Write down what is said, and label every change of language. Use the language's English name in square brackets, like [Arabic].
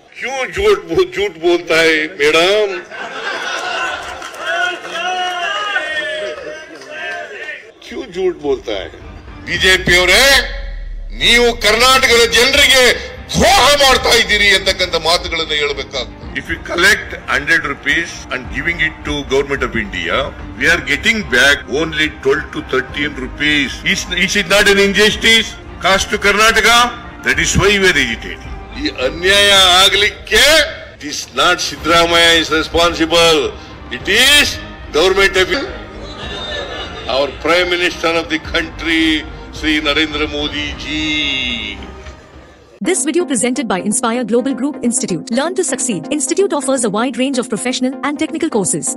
[Hindi] Q jute ಬೋಲ್ತಾ madam? Q jute ಬೋಲ್ತಾ [Kannada] BJP ಅವರೇ, ನೀವು ಕರ್ನಾಟಕದ ಜನರಿಗೆ ದ್ರೋಹ ಮಾಡ್ತಾ ಇದ್ದೀರಿ ಅಂತಕ್ಕಂತ ಮಾತುಗಳನ್ನು ಹೇಳಬೇಕಾಗ್ತದೆ. [English] If you collect 100 rupees and giving it to government of India, we are getting back only 12 to 13 rupees. Is it not an injustice? Cost to Karnataka? That is why we are agitating. [Kannada] ಈ ಅನ್ಯಾಯ ಆಗ್ಲಿಕ್ಕೆ [English] This not Siddaramaiah is responsible, it is government of our prime minister of the country Shri Narendra Modi ji. This video presented by Inspire Global Group Institute. Learn to succeed. Institute offers a wide range of professional and technical courses.